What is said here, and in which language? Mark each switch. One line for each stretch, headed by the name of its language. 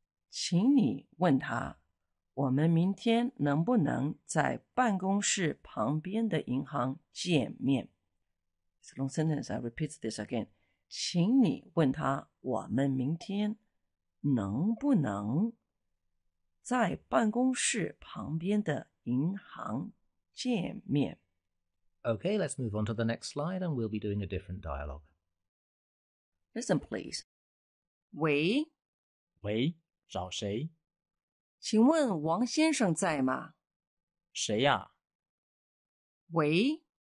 Chinese: 请你问他，我们明天能不能在办公室旁边的银行见面？
English: It's a long sentence. I repeat this again.
Chinese: 请你问他我们明天能不能在办公室旁边的银行见面。
English: Okay, let's move on to the next slide and we'll be doing a different dialogue. Listen, please. 喂？
Chinese: 喂，找谁？请问王先生在吗？谁呀？喂？